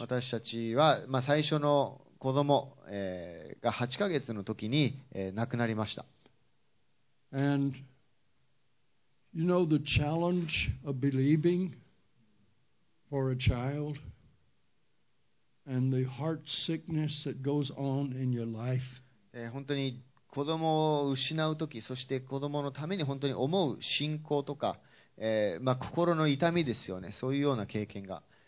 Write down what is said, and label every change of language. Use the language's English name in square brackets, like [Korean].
[Japanese] 私たちは、まあ、最初の子供、が8ヶ月の時に、亡くなりました。 [English] And you know the challenge of believing for a child and the heart sickness that goes on in your life. [Japanese] 本当に子供を失う時、そして子供のために本当に思う信仰とか、まあ、心の痛みですよね。そういうような経験が